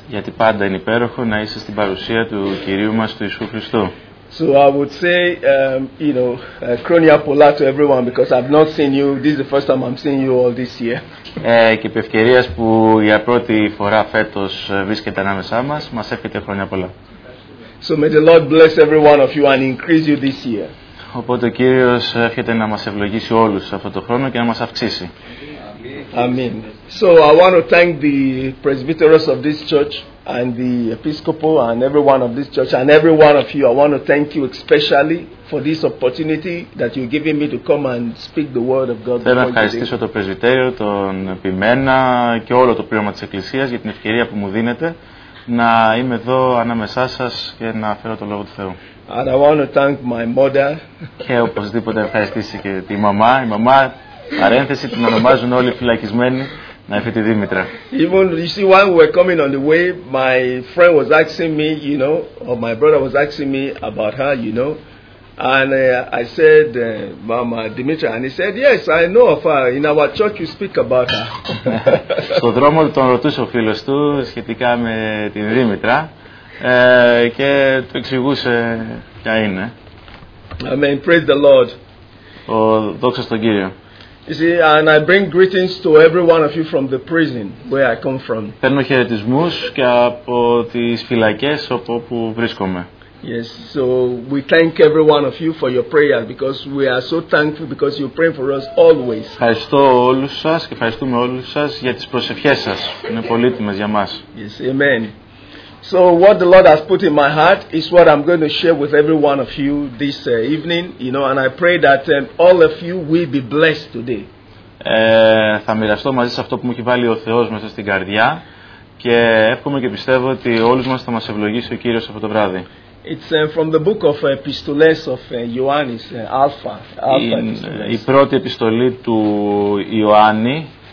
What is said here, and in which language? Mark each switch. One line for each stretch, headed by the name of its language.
Greek: Γιατί πάντα είναι υπέροχο να είσαι στην παρουσία του Κυρίου μας του Ιησού Χριστού.
English: So I would say,
Greek: chronia pola
English: to everyone because I've not seen you. This is the first time I'm seeing you all this year.
Greek: Και επί ευκαιρίας που για πρώτη φορά φέτος βρίσκεται ανάμεσά μας, μας εύχεται χρόνια πολλά.
English: So may the Lord bless every one of you and increase you this year.
Greek: Οπότε ο Κύριος εύχεται να μας ευλογήσει όλους αυτό το χρόνο και να μας αυξήσει.
English: Amen. So I want to thank the presbyteros of this church and the episcopal and every one of this church and every one of you. I want to thank you especially for this opportunity that you're giving me to come and speak the word of God.
Greek: Θέλω να ευχαριστήσω το πρεσβυτέριο, τον επιμένα και όλο το πλήρωμα της Εκκλησίας για την ευκαιρία που μου δίνετε να είμαι εδώ ανάμεσά σας και να φέρω το λόγο του Θεού.
English: And I want to thank my mother.
Greek: Και οπωσδήποτε ευχαριστήσω και τη μαμά. Η μαμά, παρένθεση, την ονομάζουν όλοι φυλακισμένοι, να έφυγε τη Δήμητρα.
English: Even you see, while we were coming on the way, my friend was asking me, you know, or my brother was asking me about her, you know, and I said, Mama Dimitra, and he said, yes, I know of her. In our church, you speak about her.
Greek: Στο δρόμο τον ρωτούσε ο φίλος του σχετικά με την Δήμητρα. Και του εξηγούσε ποια είναι.
English: Amen. Praise the Lord.
Greek: Ο δόξα στον Κύριο.
English: You see, and I bring greetings to every one of you from the prison where I come from.
Greek: Παίρνω χαιρετισμούς και από τις φυλακές όπου βρίσκομαι.
English: Yes, so we thank every one of you for your prayer because we are so thankful because you pray for us always.
Greek: Ευχαριστώ όλους σας και ευχαριστούμε όλους σας για τις προσευχές σας. Είναι πολύτιμες για μας.
English: Yes, amen. So what the Lord has put in my heart is what I'm going to share with every one of you this evening, you know, and I pray that all of you will be blessed today.
Greek: Θα μοιραστώ μαζί σας αυτό που μου έχει βάλει ο Θεός μέσα στην καρδιά και εύχομαι και πιστεύω ότι όλους μας θα μας ευλογήσει ο Κύριος από το βράδυ.
English: It's from the book of Epistoles of Ioannis, Alpha.
Greek: Η πρώτη επιστολή του Ιωάννη.